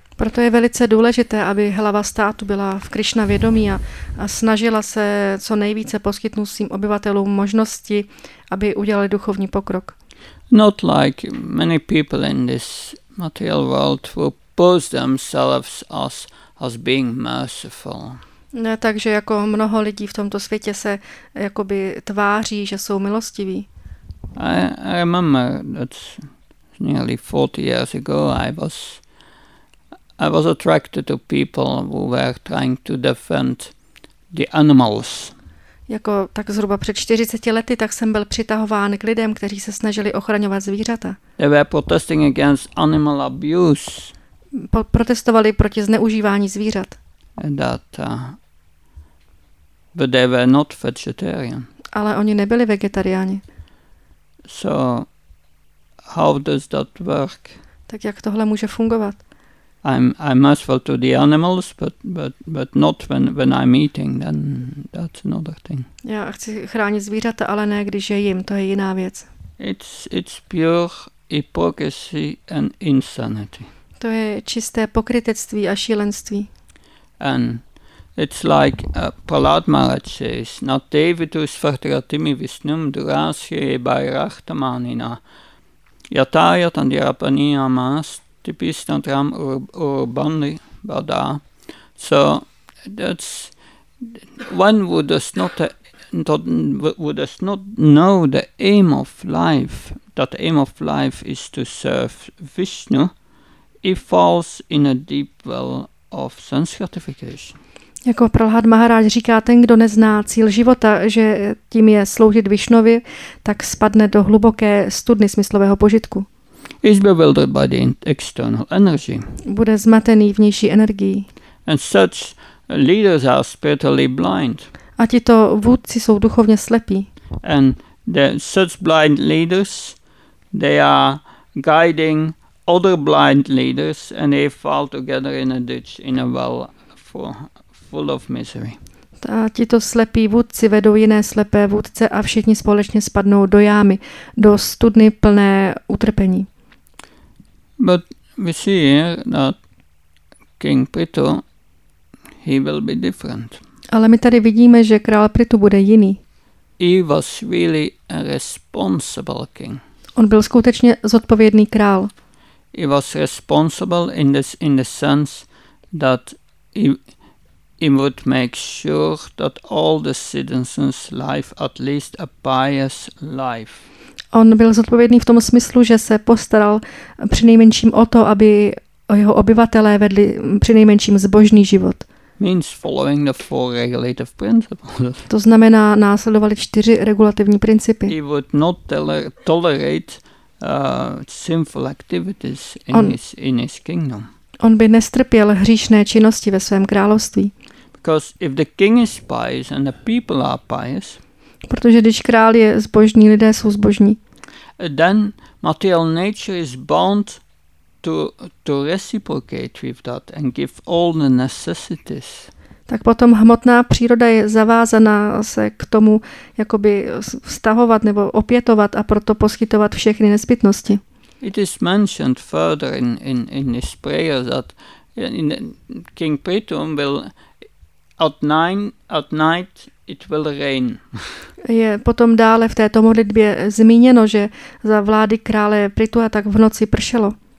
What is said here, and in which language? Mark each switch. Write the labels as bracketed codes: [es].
[cs] Proto je velice důležité, aby hlava státu byla v Krishna vědomí a snažila se co nejvíce poskytnout svým obyvatelům možnosti, aby udělali duchovní pokrok. [en] Not like many people in this material world will pose themselves as being merciful. [cs] Ne, takže jako mnoho lidí v tomto světě se jakoby tváří, že jsou milostiví. [en] I remember that nearly 40 years ago I was attracted to people who were trying to defend the animals. [cs] Jako tak zhruba před 40 lety, tak jsem byl přitahován k lidem, kteří se snažili ochraňovat zvířata. [en] They were protesting against animal abuse. [cs] Protestovali proti zneužívání zvířat. [en] And but they were not vegetarian. [cs] Ale oni nebyli vegetariáni. [en] So how does that work? [cs] Tak jak tohle může fungovat? [en] I'm merciful to the animals, but not when I'm eating, then that's another thing. [cs] Já chci chránit zvířata, ale ne když je jim, to je jiná věc. [en] It's pure hypocrisy and insanity. [cs] To je čisté pokrytectví a šílenství. [en] And it's like Prahlad Maharaj says, na devitu svartratimi visnum durasye bairahtamanina yata yatandirapaniya mast tipistantram urbani bada. So that's one would us not know the aim of life, that the aim of life is to serve Vishnu, if falls in a deep well of sense gratification. [cs] Jako Prahlad Maharaj říká, ten, kdo nezná cíl života, že tím je sloužit Višnovi, tak spadne do hluboké studny smyslového požitku. [en] Is bewildered by the external energy. [cs] Bude zmatený vnější energií. [en] And such leaders are spiritually blind. [cs] A tito vůdci jsou duchovně slepí. [en] And the such blind leaders, they are guiding other blind leaders and they fall together in a ditch, in a well full of misery. [cs] A tito slepí vůdci vedou jiné slepé vůdce a všichni společně spadnou do jámy, do studny plné utrpení. [en] But we see here that King Prithu, he will be different. [cs] Ale my tady vidíme, že král Prithu bude jiný. [en] He was really a responsible king. [cs] On byl skutečně zodpovědný král. [en] He was responsible in the sense that he would make sure that all the citizens live at least a pious life. [cs] On byl zodpovědný v tom smyslu, že se postaral přinejmenším o to, aby jeho obyvatelé vedli přinejmenším zbožný život. [en] Means following the four regulative principles. [cs] To znamená, následovali 4 regulativní principy. [en] He would not tolerate sinful activities in his kingdom. [cs] On by nestrpěl hříšné činnosti ve svém království. [en] Because if the king is pious and the people are pious, [cs] protože když král je zbožný, lidé jsou zbožní. [en] Then material nature is bound to reciprocate with that and give all the necessities. [cs] Tak potom hmotná příroda je zavázaná se k tomu jakoby vztahovat nebo opětovat a proto poskytovat všechny nezbytnosti. [en] It is mentioned further in this prayer that King Pritum will at night it will rain. [cs] Je potom dále v této modlitbě zmíněno, že za vlády krále Prituha tak v noci pršelo.